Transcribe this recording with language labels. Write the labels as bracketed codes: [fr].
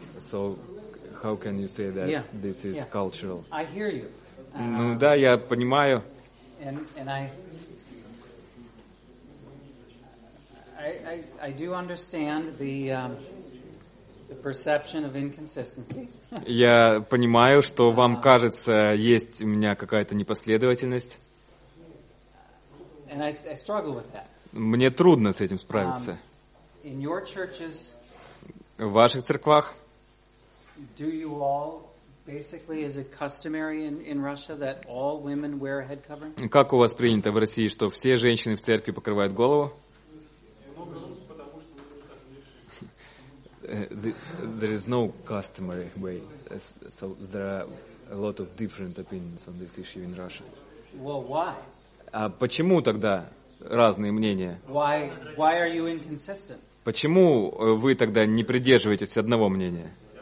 [en] So, how can you say that this is cultural? I hear you. [ru] Ну да, я понимаю. [en] And I do understand the perception of inconsistency. [ru] Я понимаю, что вам кажется, есть у меня какая-то непоследовательность. [en] And I struggle with that. [ru] Мне трудно с этим справиться. [en] In your churches, [ru] в ваших церквах [en] do you all Basically, is it customary in Russia that all women wear head covering? [ru] Как у вас принято в России, что все женщины в церкви покрывают голову? [en] There is no customary way. So there are a lot of different opinions on this issue in Russia. Well, why? [ru] А почему тогда разные мнения? [en] Why are you inconsistent? [ru] Почему вы тогда не придерживаетесь одного мнения?